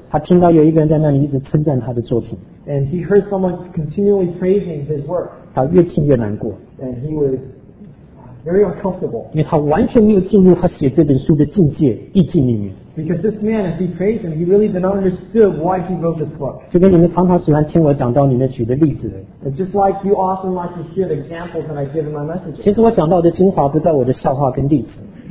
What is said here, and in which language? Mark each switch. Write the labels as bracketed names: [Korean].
[Chinese] 他听到有一个人在那里一直称赞他的作品。 [English] And he heard someone continually praising his work. [Chinese] 他越听越难过。 [English] And he was very uncomfortable. [Chinese] 因为他完全没有进入他写这本书的境界、意境里面。 [English] Because this man, as he praised him, he really did not understand why he wrote this book. [Chinese] 就跟你们常常喜欢听我讲到里面举的例子。 [English] And just like you often like to hear the examples that I give in my messages. [Chinese] 其实我讲到的精华不在我的笑话跟例子。